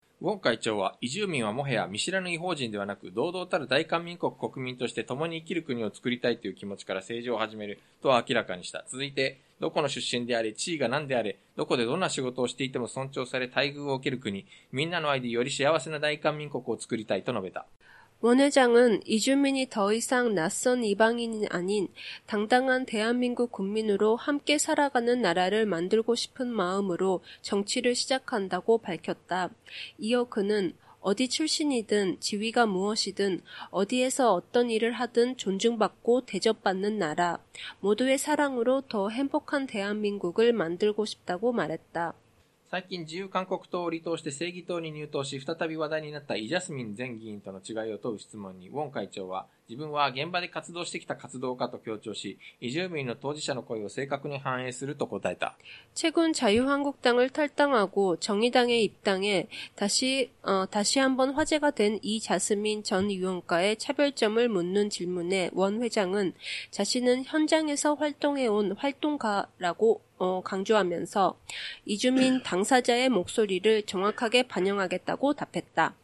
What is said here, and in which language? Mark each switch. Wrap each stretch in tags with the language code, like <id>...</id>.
<ja>ウォン会長は、移住民はもはや見知らぬ異邦人ではなく、堂々たる大韓民国国民として共に生きる国を作りたいという気持ちから政治を始めるとは明らかにした。続いて、どこの出身であれ、地位が何であれ、どこでどんな仕事をしていても尊重され待遇を受ける国、みんなの愛でより幸せな大韓民国を作りたいと述べた。</ja> <ko>원회장은 이주민이 더 이상 낯선 이방인이 아닌 당당한 대한민국 국민으로 함께 살아가는 나라를 만들고 싶은 마음으로 정치를 시작한다고 밝혔다. 이어 그는 어디 출신이든 지위가 무엇이든 어디에서 어떤 일을 하든 존중받고 대접받는 나라, 모두의 사랑으로 더 행복한 대한민국을 만들고 싶다고 말했다.</ko> <ja>最近自由韓国党を離党して正義党に入党し再び話題になったイ・ジャスミン前議員との違いを問う質問にウォン会長は自分は現場で活動してきた活動家と強調しイ・ジュミンの当事者の声を正確に反映すると答えた</ja> <ko>최근자유한국당을탈당하고정의당에입당해다시한번화제가된이자스민전위원과의차별점을묻는질문에원회장은자신은현장에서활동해온활동가라고강조하면서이주민당사자의목소리를정확하게반영하겠다고답했다</ko>